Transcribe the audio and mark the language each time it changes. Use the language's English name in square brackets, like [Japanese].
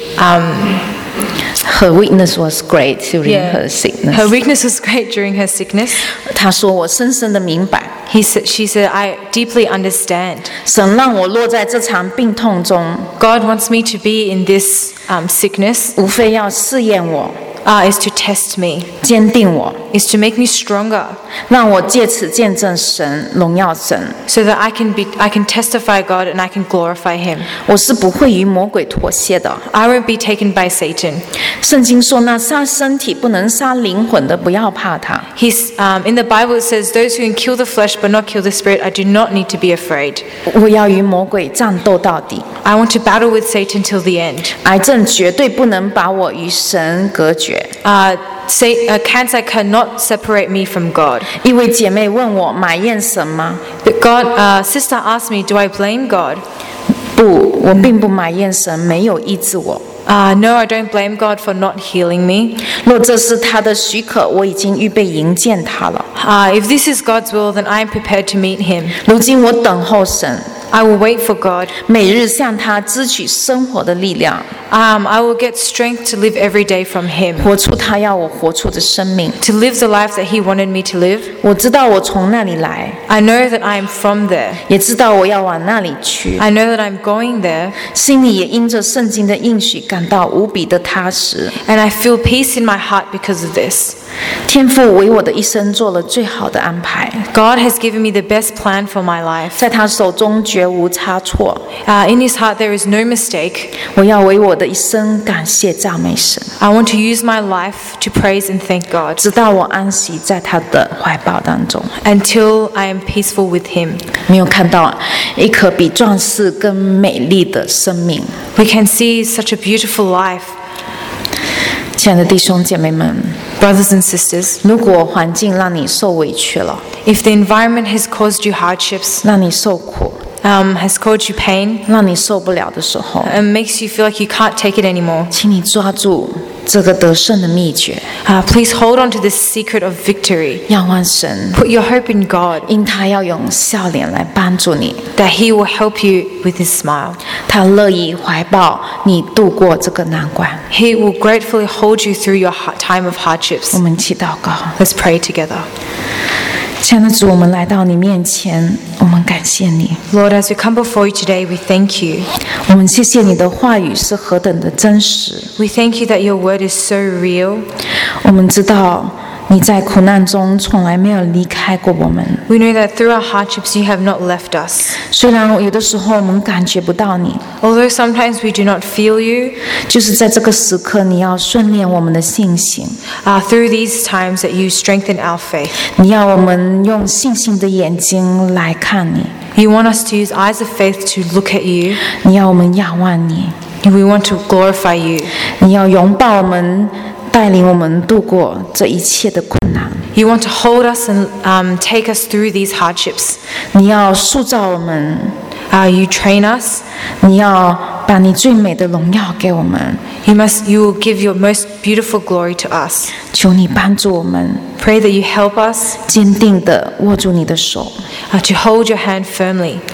[English] Her weakness was great during her sickness. Her weakness was great during her sickness. [Chinese] 她说我深深的明白。 [English] She said, I deeply understand. [Chinese] 神让我落在这场病痛中。 [English] God wants me to be in this sickness. [Chinese] 无非要试验我。 [English] Is to test me. [Chinese] 坚定我。 [English] Is to make me stronger. [Chinese] 让我借此见证神，荣耀神。 [English] So that I can testify God and I can glorify Him. [Chinese] 我是不会与魔鬼妥协的。 [English] I won't be taken by Satan. [Chinese] 圣经说，那杀身体不能杀灵魂的，不要怕他。 [English] In the Bible it says, those who can kill the flesh but not kill the spirit, I do not need to be afraid. [Chinese] 我要与魔鬼战斗到底。 [English] I want to battle with Satan till the end. [Chinese] 癌症绝对不能把我与神隔绝。 [English] Cancer cannot separate me from God. [Chinese] 一位姐妹问我埋怨神吗？ [English] Sister asked me, do I blame God? [Chinese] 不，我并不埋怨神没有医治我。 [English] No, I don't blame God for not healing me. [Chinese] 若这是他的许可，我已经预备迎接他了。 [English] If this is God's will, then I am prepared to meet Him. [Chinese] 如今我等候神。 [English] I will wait for God. [Chinese] 每日向他支取生活的力量。 [English] I will get strength to live every day from Him. [Chinese] 活出他要我活出的生命。 [English] To live the life that He wanted me to live. [Chinese] 我知道我从那里来。 [English] I know that I am from there. [Chinese] 也知道我要往那里去。 [English] I know that I'm going there. [Chinese] 心里也因着圣经的应许感到无比的踏实。 [English] And I feel peace in my heart because of this. [Chinese] 天父为我的一生做了最好的安排。 [English] God has given me the best plan for my life. [Chinese] 在他手中绝无差错。 [English] In His heart there is no mistake. [Chinese] 我要为我的一生感谢赞美神。 [English] I want to use my life to praise and thank God. [Chinese] 直到我安息在他的怀抱当中。 [English] Until I am peaceful with Him. [Chinese] 没有看到一颗比壮士更美丽的生命。 [English] We can see such a beautiful life. [Chinese] 亲爱的弟兄姐妹们。 [English] Brothers and sisters. [Chinese] 如果环境让你受委屈了。 [English] If the environment has caused you hardships. [Chinese] 让你受苦。 [English] Has caused you pain, [Chinese] 让你受不了的时候, [English] and makes you feel like you can't take it anymore. [Chinese] 请你抓住这个得胜的秘诀。 [English] Please hold on to this secret of victory. [Chinese] 仰望神。 [English] Put your hope in God. [Chinese] 因他要用笑脸来帮助你。 [English] That He will help you with His smile. [Chinese] 他乐意怀抱你度过这个难关。 [English] He will gratefully hold you through your time of hardships. [Chinese] 我们一起祷告。 [English] Let's pray together. [Chinese] 亲爱的主，我们来到你面前，我们感谢你。 [English] Lord, as we come before you today, we thank you. [Chinese] 我们谢谢你的话语是何等的真实。 [English] We thank you that your word is so real. [Chinese] 我们知道你在苦难中从来没有离开过我们。 [English] We know that through our hardships, you have not left us. [Chinese] 虽然有的时候我们感觉不到你。 [English] Although sometimes we do not feel you. [Chinese] 就是在这个时刻，你要训练我们的信心。 [English] Through these times that you strengthen our faith. [Chinese] 你要我们用信心的眼睛来看你。 [English] You want us to use eyes of faith to look at you. [Chinese] 你要我们仰望你。 [English] We want to glorify you. [Chinese] 你要拥抱我们。带领我们度过这一切的困难。 [English] You want to hold us and take us through these hardships. [Chinese] 你要塑造我们。 [English] You train us. [Chinese] 你要把你最美的荣耀给我们。 [English] You will give your most beautiful glory to us. [Chinese] 求你帮助我们。 [English] Pray that you help us. [Chinese] 坚定地握住你的手。 To hold your hand firmly.